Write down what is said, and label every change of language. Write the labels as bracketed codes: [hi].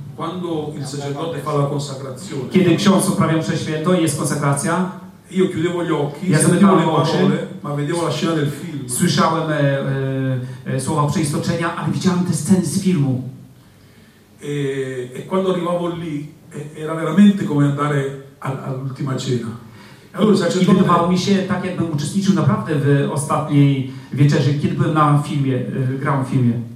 [it] Quando il sacerdote fa la consacrazione. [pl] Kiedy ksiądz uprawia mszę świętą i jest konsekracja. [it] Io chiudevo gli occhi, sentivo le parole, ma vedevo la scena del film. [pl] Słyszałem słowa przeistoczenia, ale widziałem te sceny z filmu. [it] E quando arrivavo lì era veramente come andare all'ultima cena. [pl] I wydawało mi się tak, jakbym uczestniczył naprawdę w ostatniej wieczerzy, kiedy byłem na filmie, grałem w filmie.